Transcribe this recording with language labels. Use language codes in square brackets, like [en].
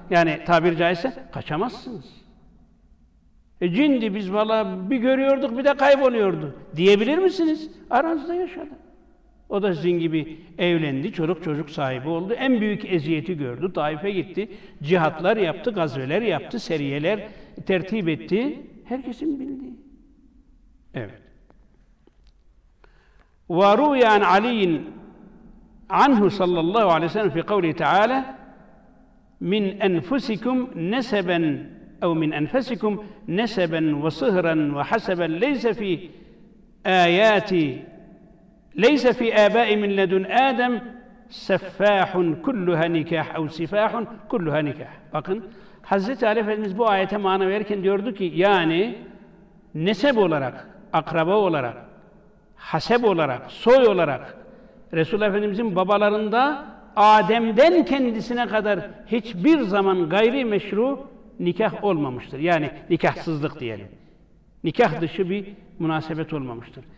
[tr] Yani tabir caizse, kaçamazsınız. E cindi biz valla bir görüyorduk bir de kayboluyordu. Diyebilir misiniz? Aranızda yaşadı. O da sizin gibi evlendi, çoluk çocuk sahibi oldu. En büyük eziyeti gördü, Taif'e gitti. Cihatlar yaptı, gazveler yaptı, seriyeler tertip etti. Herkesin bildiği. Evet. [ar] وَرُوْيَا عَنْ عَلِيٍ عَنْهُ صَلَّى اللّٰهُ عَلَيْهِ سَلَّمَ فِي قَوْلِهِ تَعَالَى مِنْ أَنْفُسِكُمْ نَسَبًا اَوْ مِنْ أَنْفَسِكُمْ نَسَبًا وَصِهْرًا وَحَسَبًا لَيْسَ فِي آيَاتِ لَيْسَ فِي آبَاءِ مِنْ لَدُنْ آدَمْ سَفَّاحٌ كُلُّهَا نِكَاحٌ [tr] اَوْ سِفَاحٌ كُلُّهَا نِكَاحٌ Bakın, Hazreti Ali Efendimiz bu ayete mana verirken diyordu ki, yani nesep olarak, akraba olarak, haseb olarak, soy olarak, Resulullah Efendimiz'in babalarında Adem'den kendisine kadar hiçbir zaman gayri meşru nikah olmamıştır. Yani nikahsızlık diyelim. Nikah dışı bir münasebet olmamıştır.